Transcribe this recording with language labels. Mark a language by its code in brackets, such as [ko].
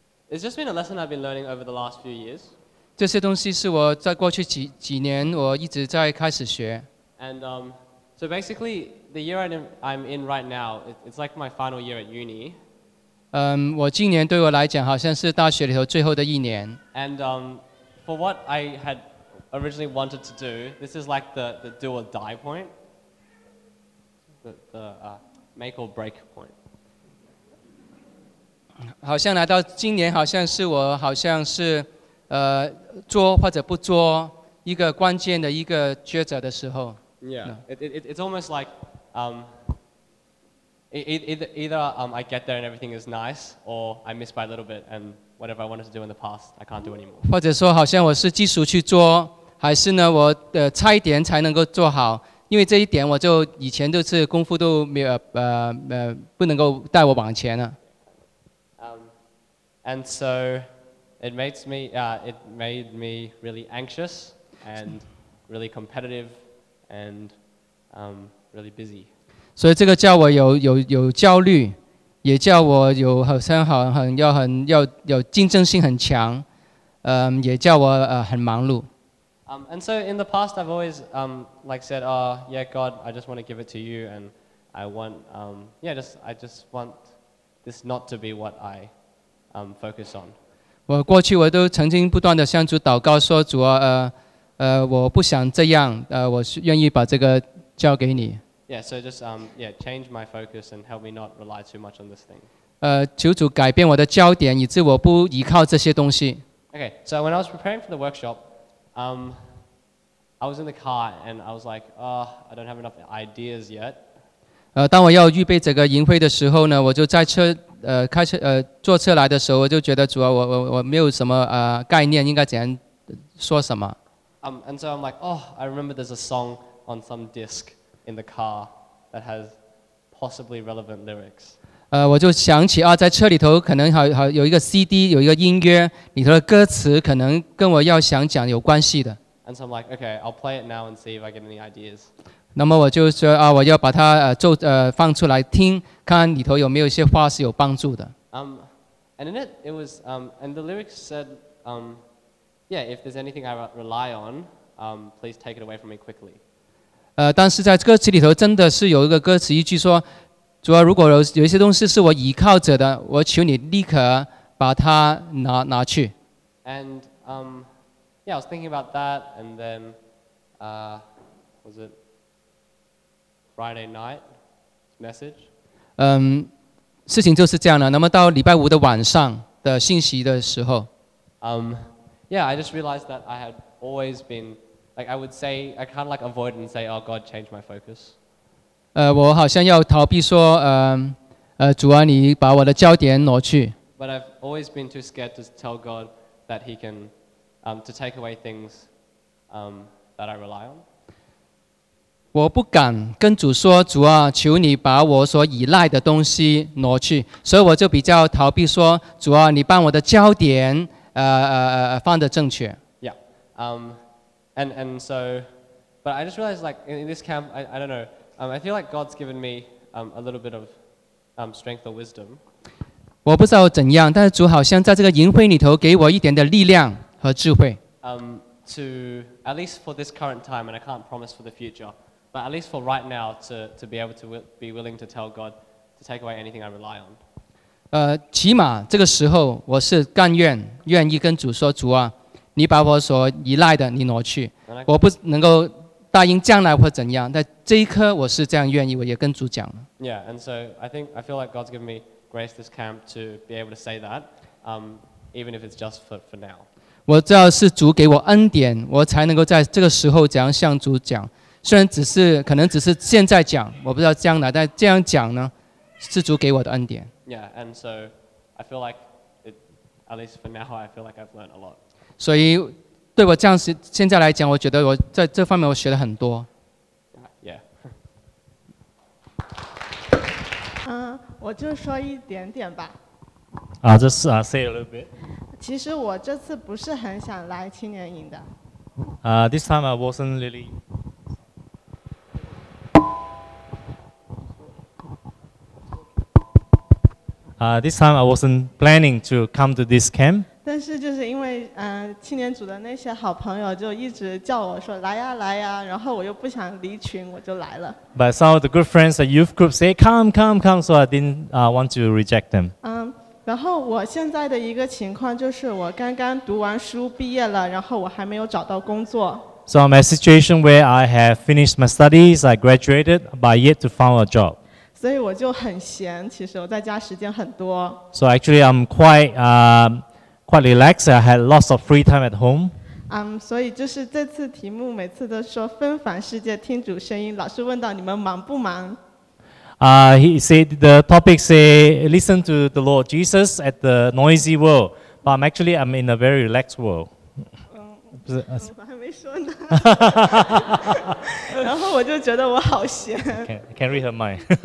[en] It's just been a lesson I've been learning over the last few years. [zh] 这些东西是我在过去几年我一直在开始学。 [en] And so basically, the year I'm in right now, it's like my final year at uni. [zh] 我今年对我来讲好像是大学里头最后的一年。 [en] And for what I had originally wanted to do, this is like the do or die point. The make or break point. [zh] 好像来到今年，好像是我好像是做或者不做一个关键的一个抉择的时候。 [en] Yeah, it's almost like either I get there and everything is nice, or I miss by a little bit, and whatever I wanted to do in the past, I can't do anymore. [zh] 或者说，好像我是技术去做，还是呢，我差一点才能够做好。因为这一点，我就以前都是功夫都没有不能够带我往前了。 [en] And so it made me really anxious and really competitive and really busy. [zh] 所以这个叫我有焦虑，也叫我有好像很要竞争性很强，也叫我很忙碌。 [en] And so in the past, I've always like said, "Oh, yeah, God, I just want to give it to you, and I want, yeah, just, I just want this not to be what I focus on. [zh] 我过去我都曾经不断地向主祷告说主啊，我不想这样，我愿意把这个交给你。 [en] Yeah, so just, yeah, change my focus and help me not rely too much on this thing. [zh] 求主改变我的焦点，以致我不依靠这些东西。 [en] Okay, so when I was preparing for the workshop, I was in the car and I was like, oh, I don't have enough ideas yet. [zh] 当我要预备这个营会的时候呢，我就在车，开车，坐车来的时候，我就觉得主啊，我没有什么概念，应该怎样说什么。 [en] And so I'm like, oh, I remember there's a song on some disc in the car that has possibly relevant lyrics. [zh] 我就想起啊，在车里头可能好有一个 CD， 有一个音乐里头的歌词，可能跟我要想讲有关系的。 [en] And so I'm like, okay, I'll play it now and see if I get any ideas. [zh] 那么我就说啊，我要把它放出来听，看里头有没有一些话是有帮助的。 [en] And in it was and the lyrics said, yeah, if there's anything I rely on, please take it away from me quickly. [zh] 但是在歌词里头真的是有一个歌词一句说，主要如果有一些东西是我依靠着的，我求你立刻把它拿去。 [en] And yeah, I was thinking about that, and then was it Friday night message? [zh] 事情就是这样了。那么到礼拜五的晚上的信息的时候 [en] yeah, I just realized that I had always been like I would say I kind of like avoid and say, oh God, change my focus. [zh] 我好像要逃避说，主啊，你把我的焦点挪去。 [en] But I've always been too scared to tell God that He can. To take away things that I rely on. [zh] 我不敢跟主说，主啊，求你把我所依赖的东西挪去，所以我就比较逃避说，主啊，你把我的焦点放得正确。 [en] Yeah. And so, but I just realized like in this camp, I don't know. I feel like God's given me a little bit of strength or wisdom. [zh] 我不知道怎样，但是主好像在这个营会里头给我一点的力量。和智慧。 [en] To at least for this current time, and I can't promise for the future, but at least for right now, to be able to be willing to tell God to take away anything I rely on. [zh] 起码这个时候我是甘愿愿意跟主说，主啊，你把我所依赖的你挪去。我不能够答应将来或怎样，但这一刻我是这样愿意，我也跟主讲了。 [en] Yeah, and so I feel like God's given me grace this camp to be able to say that, even if it's just for now. [zh] 我知道是主给我恩典，我才能够在这个时候这样向主讲。虽然只是可能只是现在讲，我不知道将来，但这样讲呢，是主给我的恩典。 [en] Yeah, and so I feel like it, at least for now, I feel like I've learned a lot. [zh] 所以对我这样现在来讲，我觉得我在这方面我学了很多。 [en] Yeah. [zh] 我就说一点点吧。 [en] Just say a little bit. [zh] 其实我这次不是很想来青年营的。 [en] This time I wasn't really. This time I wasn't planning to come to this camp. [zh] 但是就是因为青年组的那些好朋友就一直叫我说来呀来呀，然后我又不想离群，我就来了。 [en] But some of the good friends at youth group say come come come, so I didn't want to reject them. [zh] 然后我现在的一个情况就是我刚刚读完书毕业了，然后我还没有找到工作。 [en] So I'm in a situation where I have finished my studies, I graduated, but yet to find a job. [zh] 所以我就很闲，其实我在家时间很多。 [en] So actually I'm quite relaxed, I had lots of free time at home. [zh] 所以就是这次题目每次都说纷繁世界听主声音，老师问到你们忙不忙？ [en] He said the topic say listen to the Lord Jesus at the noisy world, but I'm in a very relaxed world. [zh] 我还没说呢。然后我就觉得我好闲。 [en] Can read her mind.